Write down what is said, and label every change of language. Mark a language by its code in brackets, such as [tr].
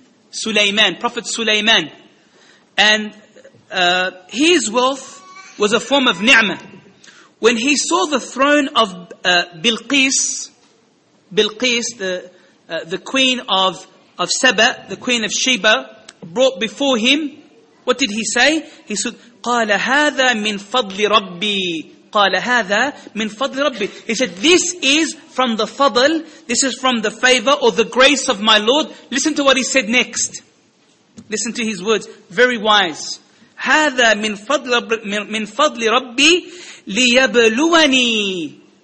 [en] Sulaiman, Prophet Sulaiman. And his wealth was a form of ni'mah. When he saw the throne of Bilqis, the queen of Saba, the queen of Sheba, brought before him, what did he say? He said, [ar] قَالَ هَذَا مِنْ فَضْلِ رَبِّي. قَالَ هَذَا مِنْ فَضْلِ رَبِّي. [en] He said, this is from the fadl, this is from the favor or the grace of my Lord. Listen to what he said next. Listen to his words. Very wise. [ar] هَذَا مِنْ فَضْلِ رَبِّي لِيَبْلُوَنِي.